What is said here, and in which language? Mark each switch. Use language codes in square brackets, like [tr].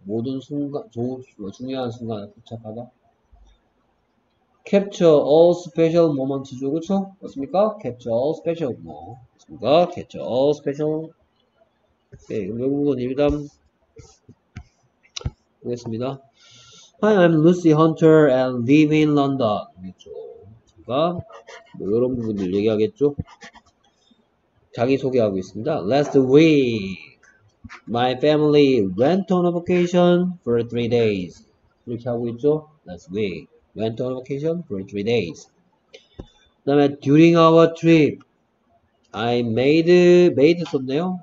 [ko] 모든 순간, 중요한 순간을 포착하다. [en] Capture all special moments죠, [ko] 그쵸? 맞습니까? [en] Capture all special moments. [ko] 맞습니까? [en] Capture all special. [ko] 오케이, 그럼 이 부분 일단 보겠습니다. [en] Hi, I'm Lucy Hunter and live in London. [ko] 그쵸? 맞습니까? 뭐 이런 부분들 얘기하겠죠? 자기소개하고 있습니다. [en] Last week, my family went on a vacation for 3 days. [ko] 이렇게 하고 있죠? [en] Last week, went on a vacation for 3 days. [ko] 그다음에 [en] during our trip, I made [ko] 썼네요.